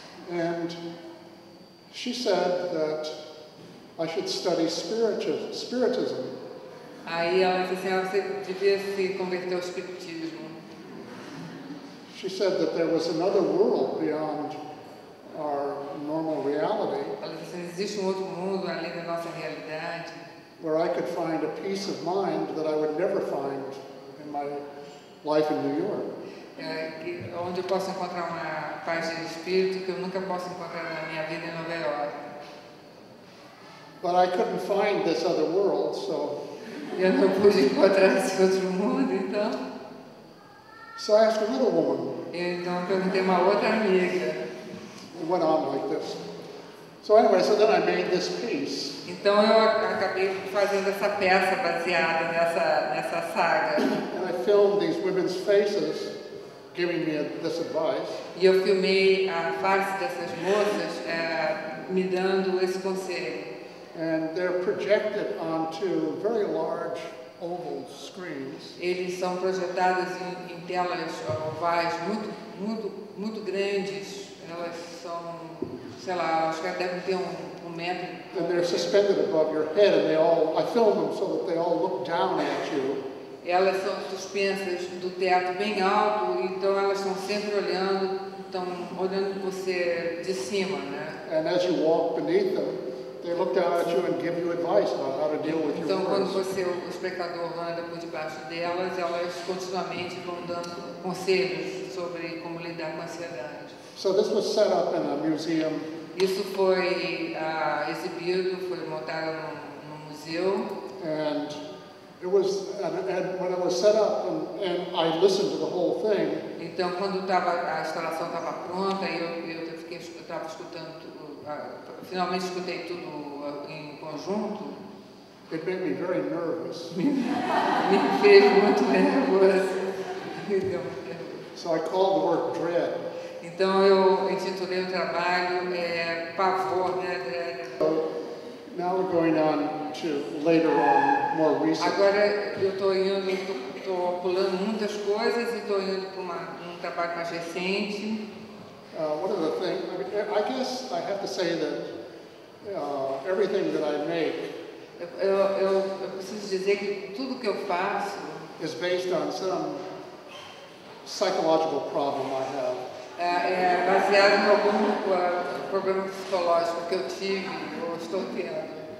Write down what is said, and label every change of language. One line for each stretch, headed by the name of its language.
English: And she said that I should study spiritism.
Portuguese: Aí ela disse assim, você devia se converter ao espiritismo.
English: She said that there was another world beyond our normal reality.
Portuguese: Ela disse assim, existe um outro mundo além da nossa realidade.
English: Where I could find a peace of mind that I would never find in my life in New York.
Portuguese: Onde eu posso encontrar uma paz de espírito que eu nunca posso encontrar na minha vida em Nova York.
English: But I couldn't find this other world, so.
Portuguese: Eu não pude encontrar esse outro mundo, então.
English: So I asked another woman.
Portuguese: Então eu perguntei uma outra amiga.
English: It went on like this. So anyway, so then I made this piece.
Portuguese: Então eu acabei fazendo essa peça baseada nessa saga.
English: And I filmed these women's faces giving me this advice.
Portuguese: E eu filmei a face dessas moças me dando esse conselho.
English: And they're projected onto very large oval screens.
Portuguese: Eles são projetados em telas ovais muito, muito, muito grandes. Elas são, sei lá, acho que devem ter um metro.
English: And they're suspended above your head, and I film them so that they all look down at you.
Portuguese: Elas são suspensas do teto bem alto, então elas estão sempre olhando, estão olhando você de cima, né?
English: And as you walk beneath them, they look down at you and give you advice about how to deal with
Portuguese: então, Então, quando words. Você, o espectador, anda por debaixo delas, elas continuamente vão dando conselhos sobre como lidar com a ansiedade.
English: So this was set up in a museum.
Portuguese: Isso foi exibido, foi montado num museu.
English: And it was, and when it was set up, and I listened to the whole thing.
Portuguese: Então, quando a instalação estava pronta, eu estava escutando tudo. Finalmente escutei tudo em conjunto.
English: It made me very nervous.
Portuguese: Me fez muito nervoso.
English: So I called the work dread.
Portuguese: Então eu intitulei o trabalho pavor, né, dread.
English: So now we're going on to later on, more recently.
Portuguese: Agora eu tô pulando muitas coisas e tô indo para um trabalho mais recente.
English: One of the things, I mean, I guess I have to say that everything that I make
Portuguese: eu preciso dizer que tudo que eu faço
English: is based on some psychological problem I have.
Portuguese: É baseado em algum problema psicológico que eu tive ou estou tendo.